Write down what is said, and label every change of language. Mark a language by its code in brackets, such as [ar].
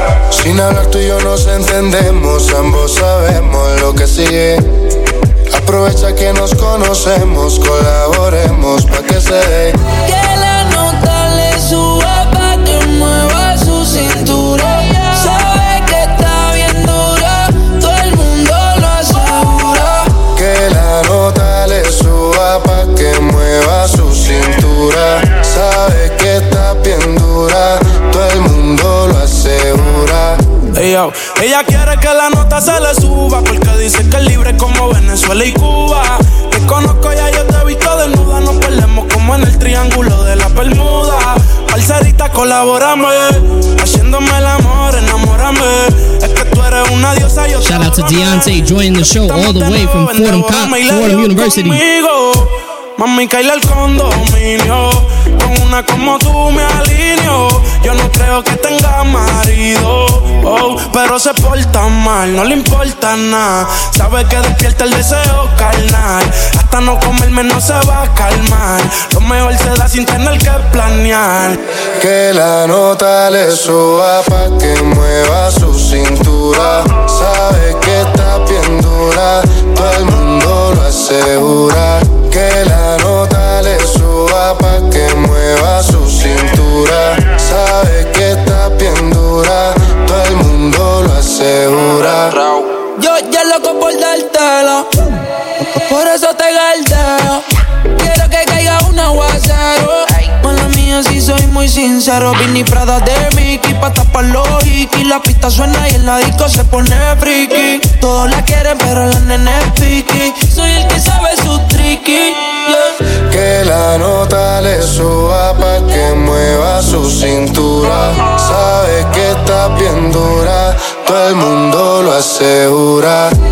[es] Sin hablar tú y yo nos entendemos, ambos sabemos lo que sigue. Aprovecha que nos conocemos, colaboremos pa' que se dé. Que la nota le suba pa' que mueva su cintura. Sabe que está bien dura, todo el mundo lo asegura. Que la nota le suba pa' que mueva su cintura. Sabe que está bien dura, todo el mundo lo asegura. Ella quiere que la nota se le suba, porque dice que es libre como Venezuela y Cuba. Te conozco ya, yo te he visto desnuda. Nos perdemos como en el triángulo de la Bermuda. Parcerita, colaborame, haciéndome el amor, enamórame. Es que tú eres una diosa, yo. [en] Shout out to Deontay, joining the show all the way from Fordham College, Fordham University. [es] Conmigo, mami, caíle al condominio. Con una como tú me alineo. Yo no creo que tenga marido, oh, pero se porta mal, no le importa nada. Sabe que despierta el deseo carnal. Hasta no comerme no se va a calmar. Lo mejor se da sin tener que planear. Que la nota le suba pa' que mueva su cintura. Sabe que está bien dura, todo el mundo lo asegura. Que la nota le suba pa' que mueva su cintura. Sabe que está bien dura, todo el mundo lo asegura. Yo ya loco por dártelo, por eso te galdeo. Quiero que caiga un aguacero. Mala mía, si soy muy sincero. Vinny Prada de Mickey pa' tapar los hickey. La pista suena y el ladico se pone friki. Todos la quieren, pero la nena es piqui. Soy el que sabe su tricky, yeah. Que la nota le suba pa' que mueva su cintura. Sabe que está bien dura, todo el mundo lo asegura.